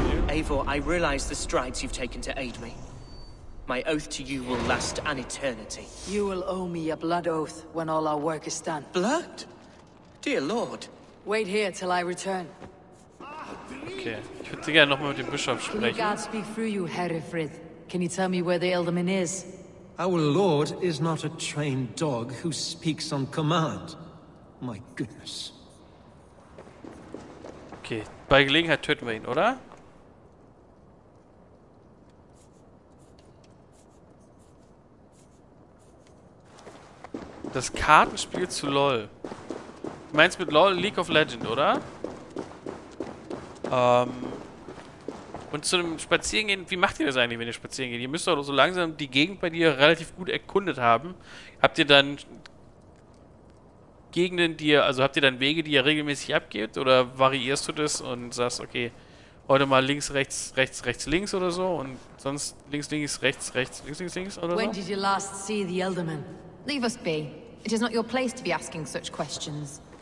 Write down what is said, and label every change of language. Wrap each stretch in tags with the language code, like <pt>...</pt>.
<en>Eivor, I realize the strides you've taken to aid me. My oath to you will last an eternity. You will owe me a blood oath when all our work is done. Blood? Dear Lord. Wait here till I return.</en> <de>Okay, ich würde gerne nochmal mit dem Bischof sprechen.</de> <en>Can God speak through you, Herifrith? Can you tell me where the Elderman is? Our Lord is not a trained dog who speaks on command. My goodness.</en> <de>Okay, bei Gelegenheit töten wir ihn, oder? Das Kartenspiel zu LOL. Du meinst mit LOL League of Legends, oder? Und zu dem Spazierengehen, wie macht ihr das eigentlich, wenn ihr spazieren geht? Ihr müsst doch so langsam die Gegend bei dir relativ gut erkundet haben. Habt ihr dann Gegenden, die ihr, also habt ihr dann Wege, die ihr regelmäßig abgebt, oder variierst du das und sagst, okay, heute mal links, rechts, rechts, rechts, links oder so und sonst links, links, rechts, rechts, links, links, links oder so?</de> <en>When did you last see the Elderman? Leave us be. It is not your place to be asking such questions.</en>